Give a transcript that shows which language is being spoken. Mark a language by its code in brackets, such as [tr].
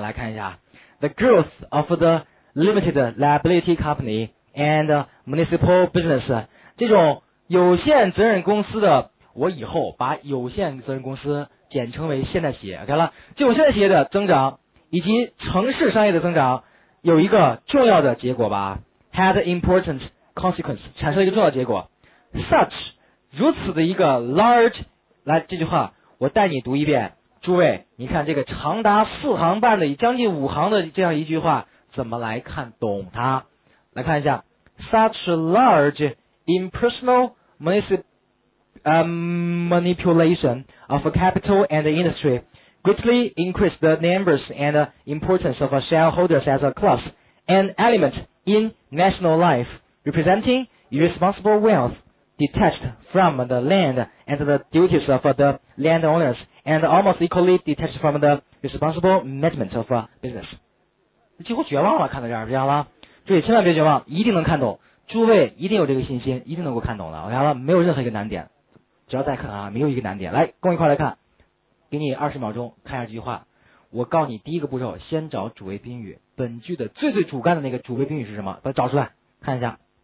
[zh] 来看一下 [en] The growth of the limited liability company and municipal business， [zh] 这种有限责任公司的，我以后把有限责任公司简称为现代企业。 OK 了，这种现代企业的增长以及城市商业的增长有一个重要的结果吧， [en] had important consequence， [zh] 产生了一个重要结果。 such， 如此的一个 large， 来，这句话我带你读一遍。诸位，你看这个长达四行半的，将近五行的这样一句话，怎么来看懂它？来看一下 [en] ，such large impersonal manipulation of capital and industry greatly increased the numbers and importance of shareholders as a class, an element in national life representing irresponsible wealth detached from the land and the duties of the landowners.And almost equally detached from the responsible management of business。 [zh] 几乎绝望了，看到这样，这样了，所以千万别绝望，一定能看懂，诸位一定有这个信心，一定能够看懂的，OK了，没有任何一个难点，只要再看啊，没有一个难点，来，跟我一块来看，给你20秒钟，看一下这句话，我告诉你，第一个步骤，先找主谓宾语，本句的最最主干的那个主谓宾语是什么？把它找出来，看一下。